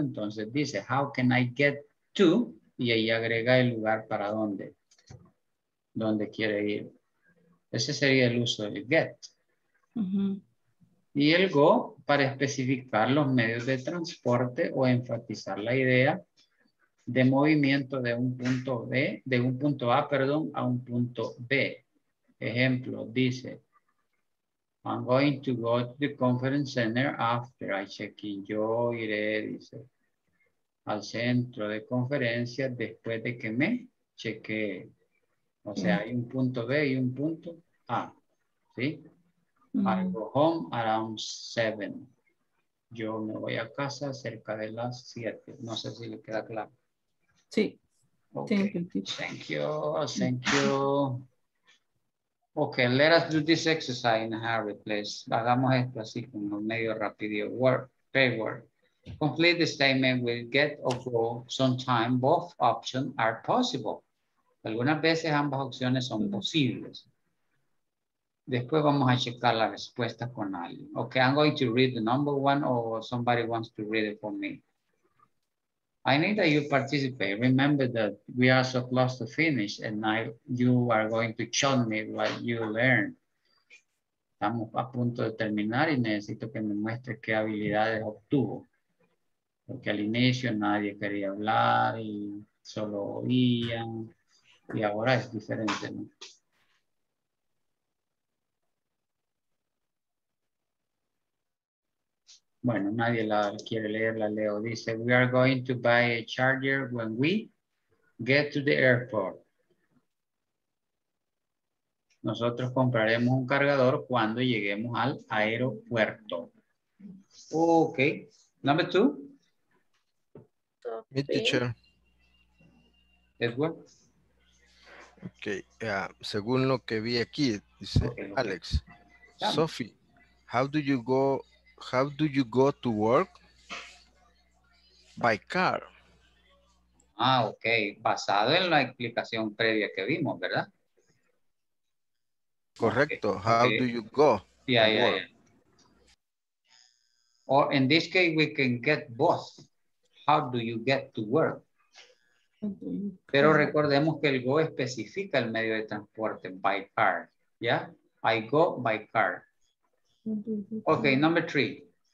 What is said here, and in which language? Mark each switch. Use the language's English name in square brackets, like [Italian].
[Spanish] Entonces dice, [English] how can I get to? [Spanish] Y ahí agrega el lugar para dónde. ¿Dónde quiere ir? Ese sería el uso del get. Uh-huh. Y el go para especificar los medios de transporte o enfatizar la idea de movimiento de un punto B, de un punto A, perdón, a un punto B. Ejemplo, dice, [English] I'm going to go to the conference center after I check in. [Spanish] Yo iré, dice, al centro de conferencia después de que me chequee. O sea, hay un punto B y un punto A. ¿Sí? [English] I go home around 7. [Spanish] Yo me voy a casa cerca de las 7. No sé si le queda claro. Sí. [English] Okay. Thank you. Okay, let us do this exercise in a hurry, please. [Spanish] Hagamos esto así, como medio rápido. Word, pay word. [English] Complete the statement with get or go. Sometimes both options are possible. [Spanish] Algunas veces ambas opciones son posibles. Después vamos a checar la respuesta con alguien. [English] Okay, I'm going to read the number one or somebody wants to read it for me. I need that you participate. Remember that we are so close to finish and now you are going to show me what you learned. [Spanish] Estamos a punto de terminar y necesito que me muestre qué habilidades obtuvo. Porque al inicio nadie quería hablar y solo oían. Y ahora es diferente, ¿no? Bueno, nadie la quiere leer, la leo. Dice, [English] we are going to buy a charger when we get to the airport. [Spanish] Nosotros compraremos un cargador cuando lleguemos al aeropuerto. [English] Ok. Number two. Hey, teacher. Edward. [Spanish] Ok. Según lo que vi aquí, dice Alex. [English] Yeah. Sophie, how do you go to work? By car. Ah, ok. [Spanish] Basado en la explicación previa que vimos, ¿verdad? [English] Correcto. Okay. How do you go? Yeah. Or in this case, we can get both. How do you get to work? [Spanish] Pero recordemos que el go especifica el medio de transporte, [English] by car. Yeah, I go by car. Okay, number three.